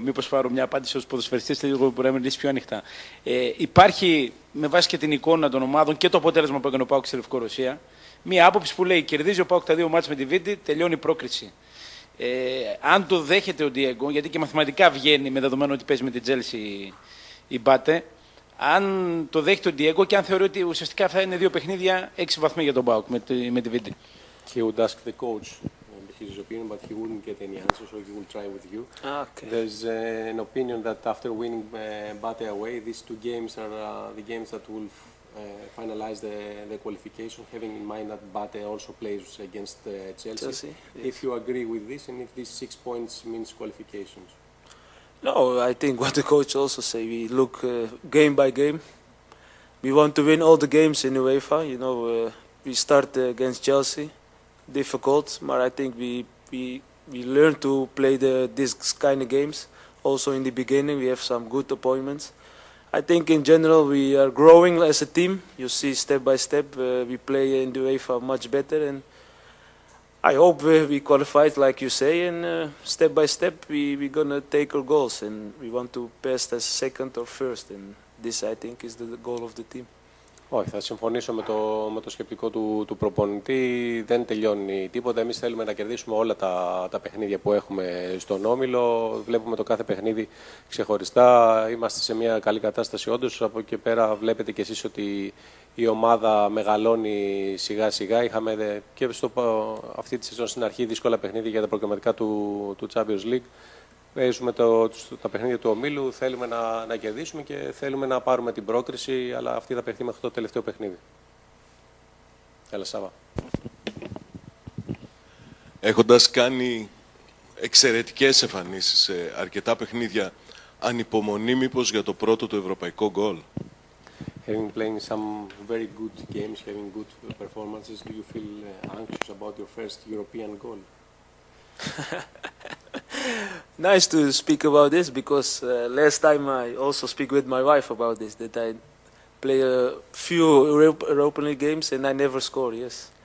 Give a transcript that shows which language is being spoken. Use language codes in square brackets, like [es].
[el] Μήπως πάρω μια απάντηση ως ποδοσφαιριστής, λίγο που μπορεί να μιλήσει πιο ανοιχτά. Υπάρχει, με βάση και την εικόνα των ομάδων και το αποτέλεσμα που έκανε ο ΠΑΟΚ στη Λευκορωσία, μια άποψη που λέει: κερδίζει ο ΠΑΟΚ τα δύο μάτς με τη Βίτη, τελειώνει η πρόκριση. Αν το δέχεται ο Diego, γιατί και μαθηματικά βγαίνει με δεδομένο ότι παίζει με την Τζέλση η Μπάτε, αν το δέχεται ο Diego και αν θεωρεί ότι ουσιαστικά θα είναι δύο παιχνίδια 6 βαθμοί για τον ΠΑΟΚ με τη Βίτη. [en] He would ask the coach maybe. his opinion, but he wouldn't get any answer, so he will try with you. Okay. There's an opinion that after winning Bate away, these two games are the games that will finalize the qualification, having in mind that Bate also plays against Chelsea. Chelsea? Yes. If you agree with this and if these 6 points means qualifications. No, I think what the coach also say, we look game by game. We want to win all the games in UEFA. You know, we start against Chelsea, difficult, but I think we learn to play this kind of games. Also in the beginning, we have some good appointments. I think in general, we are growing as a team. You see step by step, we play in the UEFA much better. And I hope we qualified, like you say, and step by step, we're going to take our goals. And we want to pass as second or first. And this, I think, is the goal of the team. [el] Όχι, θα συμφωνήσω με το σκεπτικό του προπονητή. Δεν τελειώνει τίποτα. Εμείς θέλουμε να κερδίσουμε όλα τα παιχνίδια που έχουμε στον όμιλο. Βλέπουμε το κάθε παιχνίδι ξεχωριστά. Είμαστε σε μια καλή κατάσταση όντως. Από εκεί πέρα βλέπετε κι εσείς ότι η ομάδα μεγαλώνει σιγά-σιγά. Είχαμε και αυτή τη σεζόν στην αρχή δύσκολα παιχνίδια για τα προκριματικά του Champions League. Παίζουμε τα παιχνίδια του ομίλου, θέλουμε να κερδίσουμε και θέλουμε να πάρουμε την πρόκριση, αλλά αυτή θα παιχθεί μέχρι το τελευταίο παιχνίδι. Έλα, Σάβα. Έχοντας κάνει εξαιρετικές εμφανίσεις σε αρκετά παιχνίδια, ανυπομονεί μήπως για το πρώτο του ευρωπαϊκό γκολ. [en] Having played some very good games, having good performances, do you feel anxious about your first European goal? Nice to speak about this because last time I also speak with my wife about this, that I play a few European League games and I never score, yes.